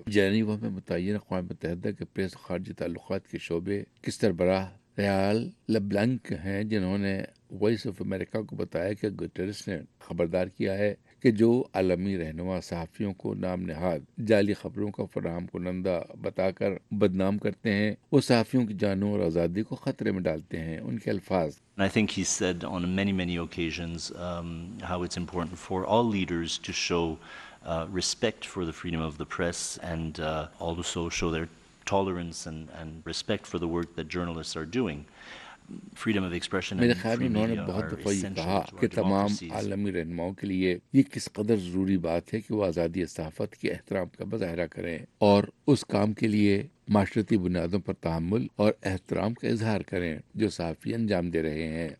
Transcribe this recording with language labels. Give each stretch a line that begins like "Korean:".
Urdu: Geneva میں متعین اقوام متحدہ کے پریس خارجی تعلقات کے شعبے کے سربراہ ریال لبلنک ہیں جنہوں نے وائس آف امریکہ کو بتایا کہ گٹیرس نے خبردار کیا ہے کہ جو عالمی رہنما صحافیوں کو نام نہاد جعلی خبروں کا فراہم کنندہ بتا کر بدنام کرتے ہیں وہ صحافیوں کی جانوں اور آزادی کو خطرے میں ڈالتے ہیں. ان کے الفاظ,
English: I think he said on many many occasions how it's important for all leaders to show respect for the freedom of the press and also show their tolerance and respect for the work that journalists are doing. Freedom of expression.
Urdu: میرے خیال میں انہوں نے بہت دفعہ یہ کہا کہ تمام عالمی رہنماؤں کے لیے یہ کس قدر ضروری بات ہے کہ وہ آزادی صحافت کے احترام کا مظاہرہ کریں اور اس کام کے لیے معاشرتی بنیادوں پر تحمل اور احترام کا اظہار کریں جو صحافی انجام دے رہے ہیں.